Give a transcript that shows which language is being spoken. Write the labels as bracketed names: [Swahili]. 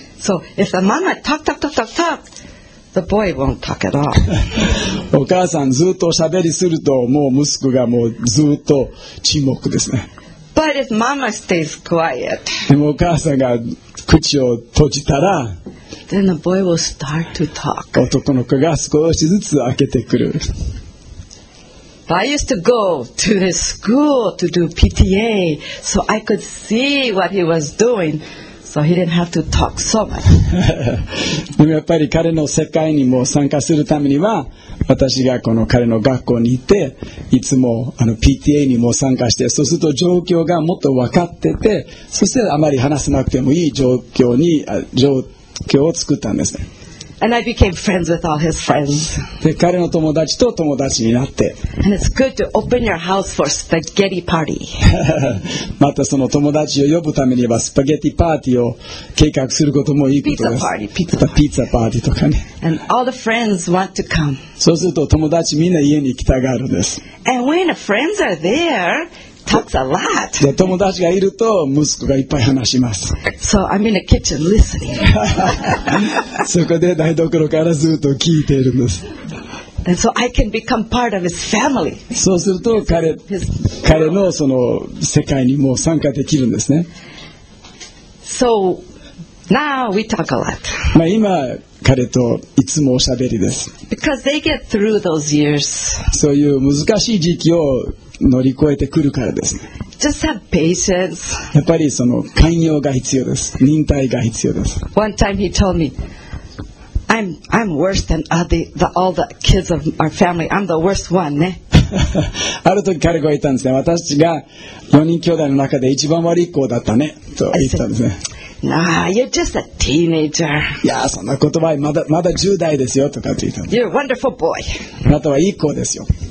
[English] So if the mama talk talk talk talk talk, the boy won't talk at all. [Japanese] お母さんずっと喋りするともう息子がもうずっと沈黙ですね。 [English] But if mama stays quiet, [Japanese] でもお母さんが口を閉じたら [English] then the boy will start to talk. [Japanese] 男の子が少しずつ開けてくる。 [English] I used to go to the school to do PTA so I could see what he was doing so he didn't have to talk so much. [Japanese] でもやっぱり彼の世界にも参加するためには私がこの彼の学校に行っていつもPTA にも参加してそうすると状況がもっと分かっててそしてあまり話さなくてもいい状況を作ったんですね。 [English] And I became friends with all his friends. [Japanese] で彼の友達と友達になって [English] And it's good to open your house for spaghetti party. [Japanese] またその友達を呼ぶためにはスパゲティパーティーを計画することもいいことです。ピザパーティーとかね。 [English] And all the friends want to come. [Japanese] そうすると友達みんな家に来たがるんです。 [English] And when friends are there, talks a lot. [Japanese] で友達がいると息子がいっぱい話します。 [English] So I'm in the kitchen listening. [Japanese] そこで台所からずっと聞いているんです。 [English] And so I can become part of his family. [Japanese] そうすると彼のその世界にも参加できるんですね。 [English] So now we talk a lot. [Japanese] まあ今彼といつもおしゃべりです。 [English] Because they get through those years. [Japanese] そういう難しい時期を乗り越えてくるからです。 [English] Just have patience. [Japanese] やっぱりその寛容が必要です。忍耐が必要です。 [English] One time he told me, I'm worse than all the kids of our family. I'm the worst one, ね。 [Japanese] ある時彼が言ったんですね。私が4人兄弟の中で一番悪い子だったね。と言ったんですね。 [English] Nah, you're just a teenager. [Japanese] いやそんな言葉はまだ10代ですよとかって言ったの。 [English] You're a wonderful boy. [Japanese] あなたはいい子ですよ。